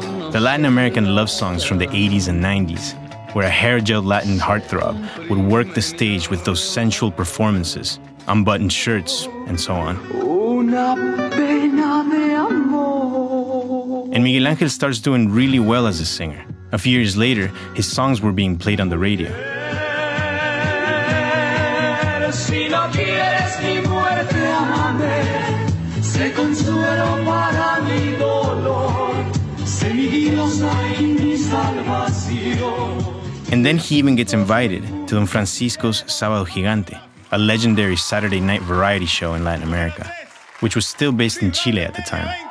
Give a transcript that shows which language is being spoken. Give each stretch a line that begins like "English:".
English: The Latin American love songs from the 80s and 90s, where a hair-gel Latin heartthrob would work the stage with those sensual performances, unbuttoned shirts, and so on.
Spanish: Una pena de amor.
English: And Miguel Ángel starts doing really well as a singer. A few years later, his songs were being played on the radio.
Spanish: Si no quieres mi muerte, amame. Sé consuelo para mi dolor. Sé mi Dios, ay, mi salvación.
English: And then he even gets invited to Don Francisco's Sábado Gigante, a legendary Saturday night variety show in Latin America, which was still based in Chile at the time.